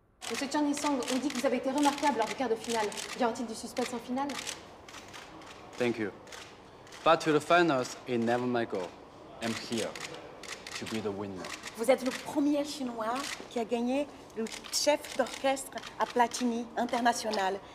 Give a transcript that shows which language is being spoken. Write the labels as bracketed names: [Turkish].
[French] Monsieur Chang Yisong, on dit que vous avez été remarquable lors du quart de finale. Y aura-t-il du suspense en finale? [English] Thank you. But to the finals, it never my goal. I'm here to be the winner. [French] Vous êtes le premier Chinois qui a gagné le chef d'orchestre à Platini International.